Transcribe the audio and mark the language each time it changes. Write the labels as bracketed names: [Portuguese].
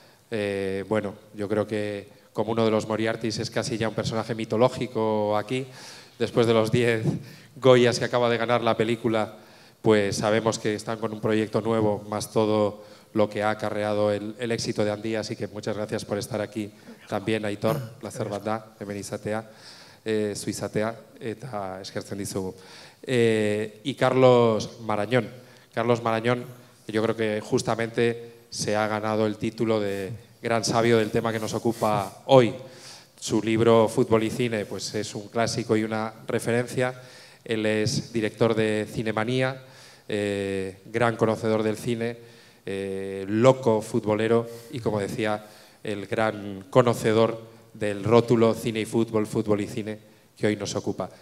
[Spanish] Bueno, yo creo que como uno de los Moriartys es casi ya un personaje mitológico aquí. Después de los 10 Goyas que acaba de ganar la película, pues sabemos que están con un proyecto nuevo, más todo lo que ha acarreado el éxito de Andía. Así que muchas gracias por estar aquí también, Aitor. [Basque] Placer bat da, hemen izatea, zuizatea, eta eskertzen dizugu. [Spanish] Y Carlos Marañón. Carlos Marañón, yo creo que justamente se ha ganado el título de gran sabio del tema que nos ocupa hoy. Su libro Fútbol y Cine pues es un clásico y una referencia. Él es director de Cinemanía, gran conocedor del cine, loco futbolero y, como decía, el gran conocedor del rótulo Cine y Fútbol, Fútbol y Cine, que hoy nos ocupa.